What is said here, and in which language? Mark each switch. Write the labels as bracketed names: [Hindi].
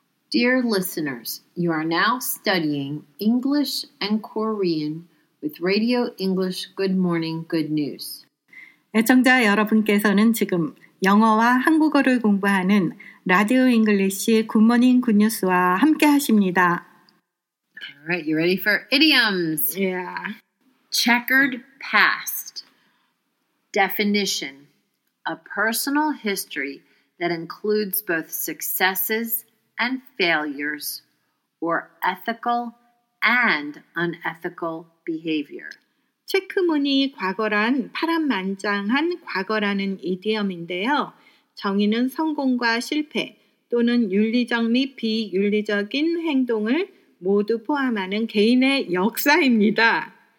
[English] Dear listeners, you are now studying English and Korean with Radio English Good Morning Good News. [Korean] 애청자 여러분께서는 지금 영어와 한국어를 공부하는 라디오 잉글리시 굿모닝 굿뉴스와 함께 하십니다. [English] All right, you ready for idioms? Yeah. Checkered past. Definition: a personal history that includes both successes and failures, or ethical and unethical behavior. [Korean] 체크무늬 과거란 파란만장한 과거라는 이디엄인데요. 정의는 성공과 실패 또는 윤리적 및 비윤리적인 행동을 모두 포함하는 개인의 역사입니다.